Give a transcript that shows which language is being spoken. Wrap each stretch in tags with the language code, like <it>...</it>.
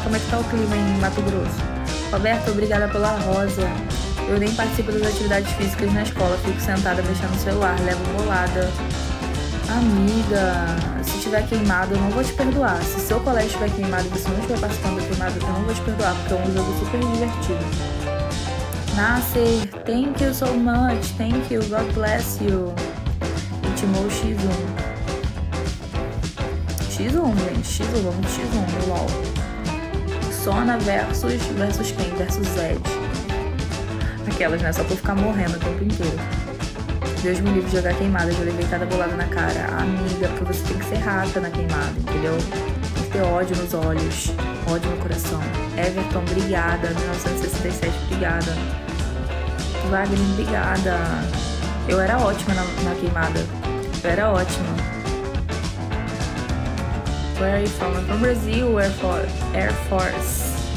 <pt>Como é que tá o clima aí em Mato Grosso? Roberto, obrigada pela rosa. Eu nem participo das atividades físicas na escola. Fico sentada mexendo no celular. Levo bolada. Amiga, se tiver queimado, eu não vou te perdoar. Se seu colégio estiver queimado e você não estiver participando da queimada, eu não vou te perdoar, porque é um jogo super divertido.</pt> <en>Nasser, thank you so much, thank you, God bless you.</en> <pt>E timou X1. X1, gente, X1, vamos de X1, meu LOL. Sona versus quem? Versus Zed. Aquelas, né? Só pra ficar morrendo o tempo inteiro. Deus me livre de jogar queimada, já levei cada bolada na cara. Amiga, porque você tem que ser rata na queimada, entendeu? Tem que ter ódio nos olhos, ódio no coração. Everton, obrigada. 1967, obrigada. Wagner, obrigada. Eu era ótima na queimada. Eu era ótima.</pt> <en>Where are you from? I'm from Brazil, Air Force.</en>